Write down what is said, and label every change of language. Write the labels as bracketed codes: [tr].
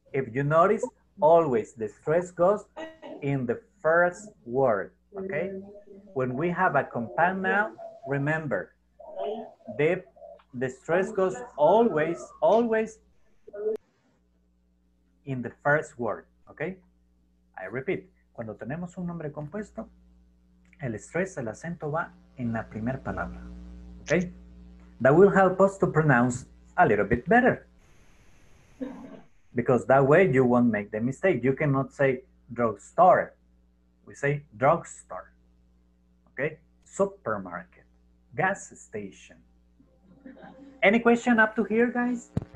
[en] If you notice, always the stress goes in the first word, okay? When we have a compound noun, remember, the stress goes always in the first word, okay? I repeat, [es] cuando tenemos un nombre compuesto, el stress, el acento va en la primera palabra, okay? [en] That will help us to pronounce a little bit better. Because that way you won't make the mistake. You cannot say drugstore. We say drugstore. Okay? Supermarket. Gas station. Any question up to here, guys?